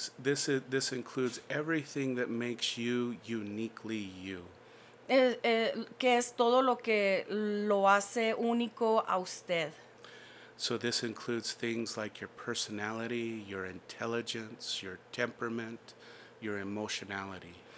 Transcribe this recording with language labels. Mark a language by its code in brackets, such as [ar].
[en] This includes everything that makes you uniquely you. [es] Que es todo lo que lo hace único a usted. [en] So this includes things like your personality, your intelligence, your temperament, your emotionality.